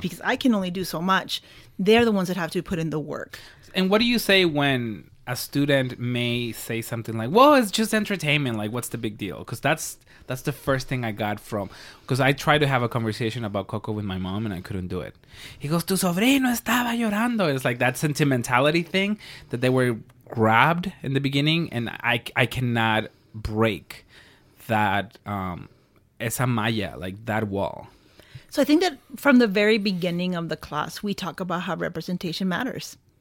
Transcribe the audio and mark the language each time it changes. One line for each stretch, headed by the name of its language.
English: because I can only do so much. They're the ones that have to put in the work. And what do you say when a student may say something like, well, it's just entertainment, like, what's the big deal? Because that's the first thing I got from, because I tried to have a conversation about Coco with my mom and I couldn't do it. He goes,
Spanish: tu sobrino estaba llorando.
English: It's like that sentimentality thing that they were grabbed in the beginning, and I cannot break that
Spanish: esa malla,
English: like that wall. So I think that from the very beginning of the class, we talk about how representation matters.